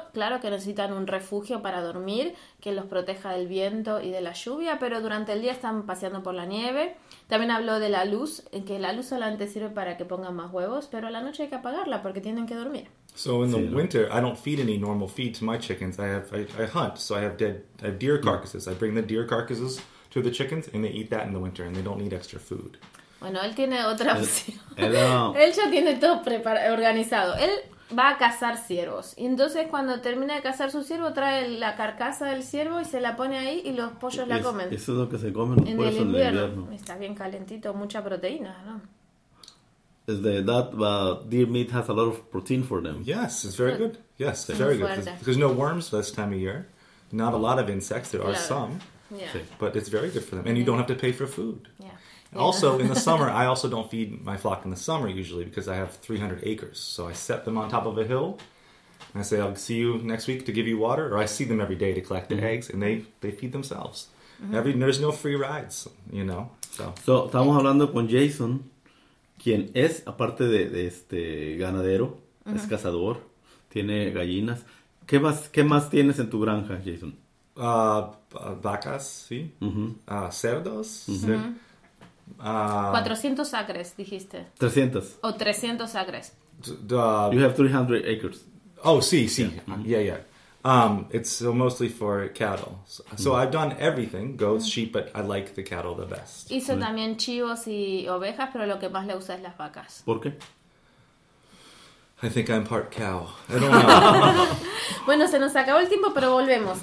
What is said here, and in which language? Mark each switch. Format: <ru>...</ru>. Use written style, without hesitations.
<es>Claro que necesitan un refugio para dormir que los proteja del viento y de la lluvia. Pero durante el día están paseando por la nieve. También habló de la luz, que la luz solamente sirve para que pongan más huevos, pero a la noche hay que apagarla porque tienen que dormir.</es> <en>So in the</en> <es>sí,</es> <en>winter, I don't feed any normal feed to my chickens. I hunt, so I have deer carcasses. I bring the deer carcasses to the chickens and they eat that in the winter and they don't need extra food.</en> <es>Bueno, él tiene otra opción. Él ya tiene todo preparado, organizado. Él va a cazar ciervos. Y entonces cuando termina de cazar su ciervo, trae la carcasa del ciervo y se la pone ahí y los pollos la comen. Eso es lo que se comen los pollos en el invierno. Está bien calentito, mucha proteína, ¿no?</es> <en>Deer meat has a lot of protein for them. Yes, it's very good. Yes, it's very good. Because no worms this time of year. Not a lot of insects, there are some. Yeah. But it's very good for them. And you don't have to pay for food. Yeah. Also, in the summer, I also don't feed my flock in the summer usually because I have 300 acres. So I set them on top of a hill and I say, I'll see you next week to give you water. Or I see them every day to collect the eggs and they feed themselves. Mm-hmm. There's no free rides, you know. So</en> <es>estamos hablando con Jason, quien es, aparte de ganadero, mm-hmm. es cazador, tiene gallinas. ¿Qué más tienes en tu granja, Jason? Vacas, sí. Mm-hmm. Cerdos, mm-hmm. sí. 400 acres, dijiste. 300. O 300 acres.</es> <en>You have 300 acres. Oh,</en> <es>sí, sí.</es> <en>Yeah, yeah. It's so mostly for cattle. So I've done everything, goats, sheep, but I like the cattle the best.</en> <es>Hizo también chivos y ovejas, pero lo que más le gusta es las vacas. ¿Por qué?</es> <en>I think I'm part cow. I don't know.</en> <es>Bueno, se nos acabó el tiempo, pero volvemos.</es>